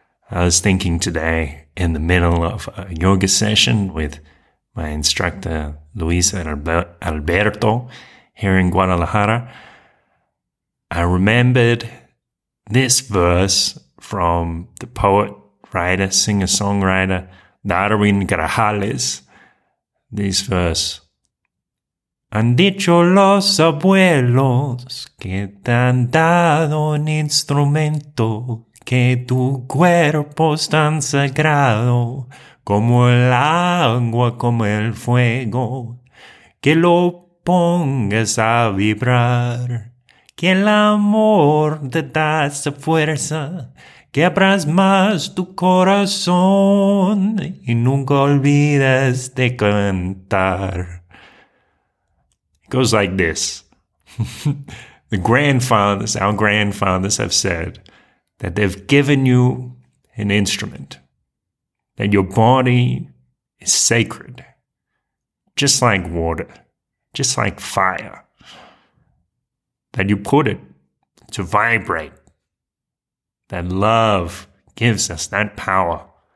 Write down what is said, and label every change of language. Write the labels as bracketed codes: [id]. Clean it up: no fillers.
[en] I was thinking today in the middle of a yoga session with my instructor, Luis Alberto, here in Guadalajara. I remembered this verse from the poet, writer, singer-songwriter, Darwin Grajales. This verse: [es] han dicho los abuelos que te han dado un instrumento, que tu cuerpo es tan sagrado como el agua, como el fuego, que lo pongas a vibrar, que el amor te da esa fuerza, que abras más tu corazón y nunca olvides de cantar. [en] It goes like this. The grandfathers, our grandfathers, have said that they've given you an instrument, that your body is sacred, just like water, just like fire, that you put it to vibrate, that love gives us that power.